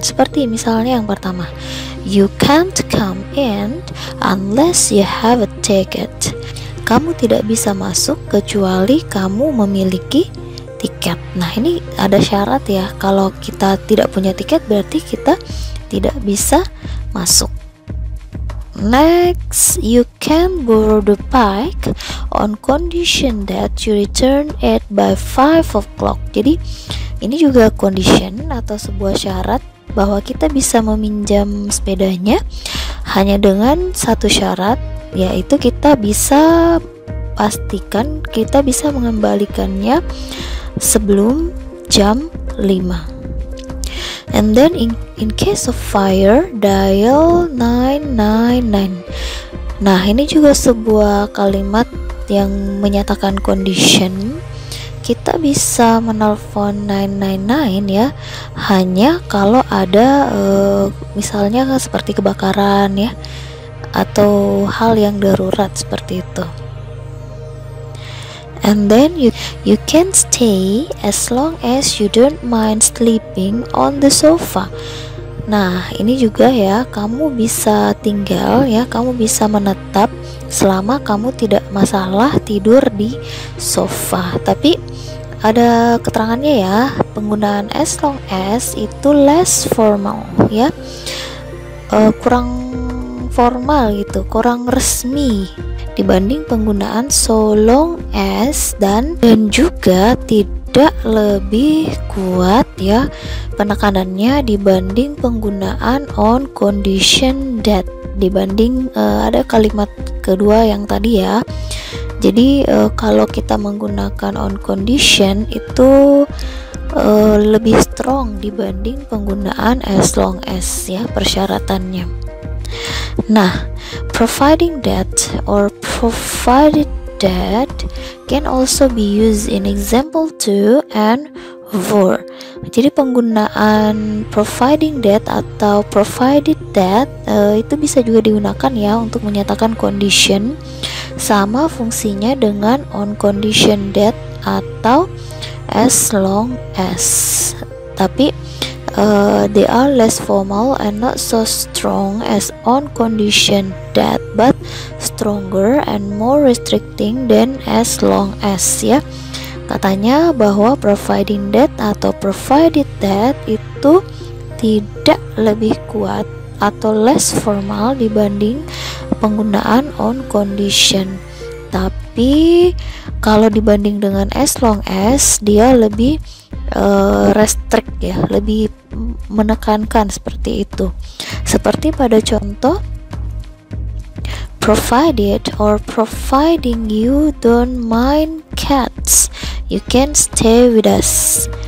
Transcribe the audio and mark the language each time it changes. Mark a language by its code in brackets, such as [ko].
[id] Seperti misalnya yang pertama, [en] you can't come in unless you have a ticket. [id] Kamu tidak bisa masuk kecuali kamu memiliki tiket. Nah, ini ada syarat ya. Kalau kita tidak punya tiket berarti kita tidak bisa masuk. [en] Next, you can't borrow the bike on condition that you return it by 5 o'clock. [id] Jadi ini juga condition atau sebuah syarat bahwa kita bisa meminjam sepedanya hanya dengan satu syarat, yaitu kita bisa pastikan kita bisa mengembalikannya sebelum jam 5. [en] And then in case of fire, dial 999. [id] Nah, ini juga sebuah kalimat yang menyatakan condition. Kita bisa menelpon 999 ya, hanya kalau ada misalnya seperti kebakaran ya atau hal yang darurat seperti itu. [en] And then you can stay as long as you don't mind sleeping on the sofa. [id] Nah, ini juga ya, kamu bisa tinggal ya, kamu bisa menetap selama kamu tidak masalah tidur di sofa. Tapi ada keterangannya ya, penggunaan as long as itu less formal ya, kurang formal gitu, kurang resmi dibanding penggunaan so long as dan juga tidak lebih kuat ya penekanannya dibanding penggunaan on condition that dibanding ada kalimat kedua yang tadi ya. Jadi kalau kita menggunakan on condition itu lebih strong dibanding penggunaan as long as ya persyaratannya. [en] Nah, providing that or provided that can also be used in example to and for. [id] Jadi penggunaan providing that atau provided that itu bisa juga digunakan ya untuk menyatakan condition, sama fungsinya dengan on condition that atau as long as. [en] Tapi they are less formal and not so strong as on condition that, but stronger and more restricting than as long as ya. [id] Katanya bahwa providing that atau provided that itu tidak lebih kuat atau less formal dibanding penggunaan on condition. Tapi kalau dibanding dengan as long as, dia lebih restrict ya, lebih menekankan seperti itu. Seperti pada contoh [en] provided or providing you don't mind cats, you can stay with us.